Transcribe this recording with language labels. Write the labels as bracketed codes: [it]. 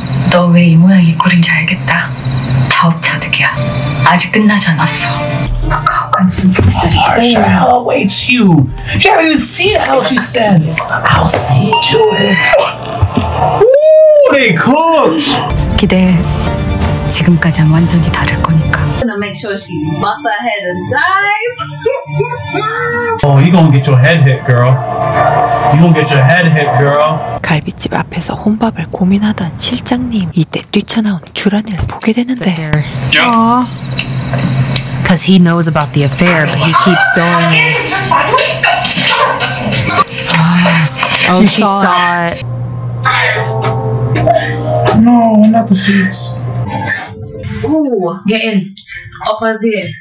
[ko] 너 왜 이 모양 이 꼴인지 알겠다. 다 업자득이야. 아직 끝나지 않았어. [en] Marsha, hell awaits you. You haven't even seen hell, she said. I'll see to it. Ooh, they cooked. [ko] 기대해. 지금까지는 완전히 다를 거니까. [en] Gonna make sure she busts her head and dies. Oh, you gonna get your head hit, girl. You gonna get your head hit, girl. [ko] 갈비집 앞에서 혼밥을 고민하던 실장님. 이때 뛰쳐나온 주란이를 보게 되는데. [en] Yeah. Because he knows about the affair, but he keeps going. Oh, she saw it. No, not the sheets. Ooh, get in. Opa's here.